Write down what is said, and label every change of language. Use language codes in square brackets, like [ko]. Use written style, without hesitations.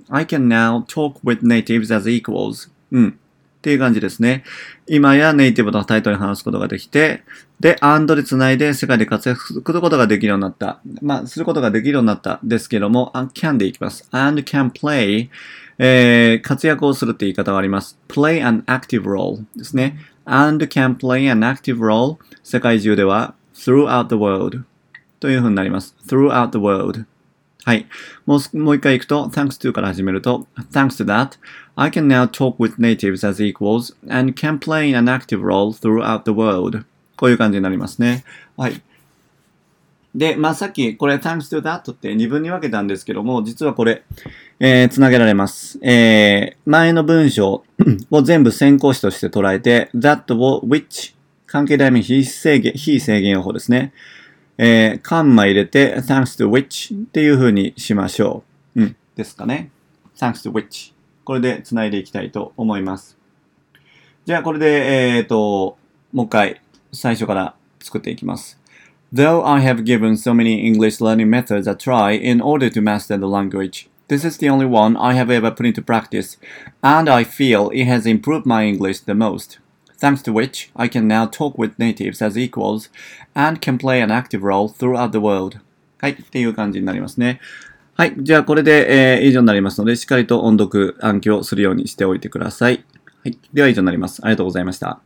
[en] I can now talk with natives as equals。 [ja] うん、っていう感じですね。今やネイティブと対等に話すことができて、で、 and でつないで世界で活躍することができるようになった、まあすることができるようになったですけども、 can でいきます。 [en] and can play、 [ja] 活躍をするって言い方があります。 [en] play an active role [ja] ですね。 [en] And can play an active role [ja] 世界中では [en] throughout the world [ja] というふうになります。 [en] throughout the world。 [ja] はい、もう一回いくと [en] thanks to [ja] から始めると [en] thanks to that I can now talk with natives as equals and can play an active role throughout the world。 [ja] こういう感じになりますね。はい、で、まあ、さっきこれ thanks to that って2分に分けたんですけども、実はこれ、つなげられます。前の文章を全部先行詞として捉えて that を which 関係代名詞非制限用法ですね、カンマ入れて [en] thanks to which [ja] っていう風にしましょう、うん、ですかね。 [en] thanks to which、 [ja] これでつないでいきたいと思います。じゃあこれで、もう一回最初から作っていきます。 [en] Though I have given so many English learning methods a try in order to master the language, this is the only one I have ever put into practice, and I feel it has improved my English the most, thanks to which I can now talk with natives as equals and can play an active role throughout the world. [ja] はい、っていう感じになりますね。はい、じゃあこれで、以上になりますので、しっかりと音読暗記をするようにしておいてください。はい、では以上になります。ありがとうございました。